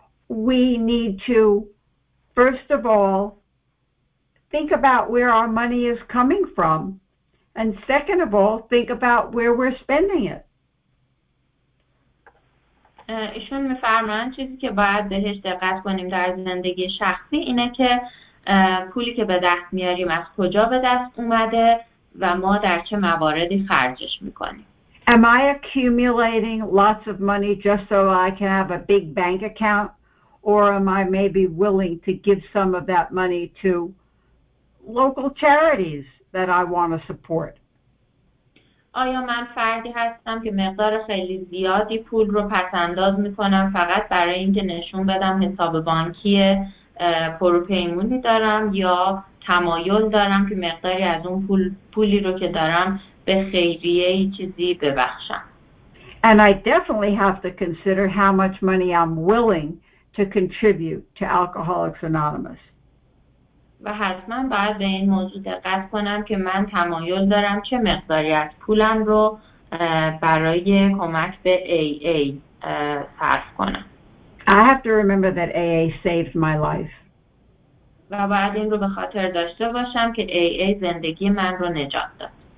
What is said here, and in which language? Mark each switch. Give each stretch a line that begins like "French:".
English: We need to, first of all, think about where our money is coming from. And second of all, think about where we're spending it.
Persian: ایشون میفرمان چیزی که باید بهش دقت کنیم در زندگی شخصی اینه که پولی که به دست میاریم از کجا به دست اومده و ما در چه مواردی خرجش میکنیم.
English: Am I accumulating lots of money just so I can have a big bank account, or am I maybe willing to give some of that money to local charities that I want to support?
Persian: آیا من فردی هستم که مقدار خیلی زیادی پول رو پس‌انداز می‌کنم فقط برای اینکه نشون بدم حساب بانکی پروپیمونی دارم، یا تمایل دارم که مقداری از اون پولی رو که دارم به خیریه ای چیزی ببخشم.
English: And I definitely have to consider how much money I'm willing to contribute to Alcoholics Anonymous.
Persian: و حتما باید به این موضوع دقت کنم که من تمایل دارم چه مقداری از پولم رو برای کمک به AA صرف کنم.
English: I have to remember that AA saved my life.
Persian: و باید این رو به خاطر داشته باشم که AA زندگی من رو نجات داد.